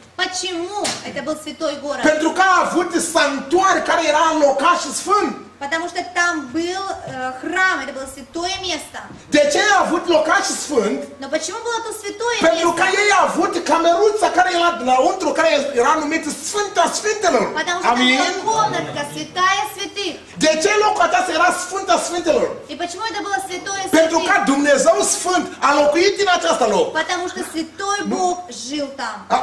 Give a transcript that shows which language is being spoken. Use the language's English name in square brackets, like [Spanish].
[Russian] Почему это был святой город? [Romanian] Pentru că a avut sanctuar care era în locaș și sfânt. [Russian] Потому что там был храм, это было святое место. [Romanian] De ce a avut locaș și sfânt? [Russian] Но почему было то святое место? [Romanian] Pentru că ei a avut cameruța care era înăuntru, care era numită Sfânta Sfintelor. [Russian] Потому что там была комната святая святых. [Romanian] De ce locul acesta era Sfânta Sfintelor? [Russian] И почему это было святое святых? [Romanian] Pentru că Dumnezeu Sfânt a locuit în această loc. [Russian] Потому что святой Бог жил там.